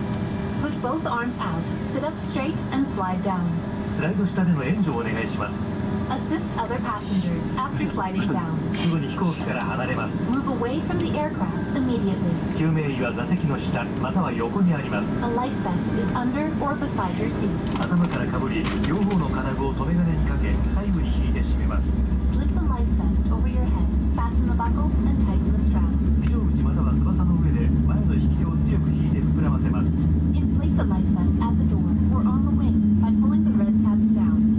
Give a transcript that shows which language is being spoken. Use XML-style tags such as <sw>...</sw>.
<ja>スライド下での援助をお願いします。</ja> <en>Assist other passengers after sliding down.</en> <ja>すぐに飛行機から離れます。</ja> <en>Move away from the aircraft immediately.</en> <ja>救命衣は座席の下または横にあります。</ja> <en>A life vest is under or beside your seat.</en> <ja>頭からかぶり、両方の金具を留め金にかけ、細部に引いて締めます。</ja> <en>Slip the life vest over your head, fasten the buckles and tighten the straps.</en> <ja>非常口または翼の上で前の引き手を強く引いて膨らませます。</ja> <en>Inflate the life vest at the door or on the wing by pulling the red tabs down.</en>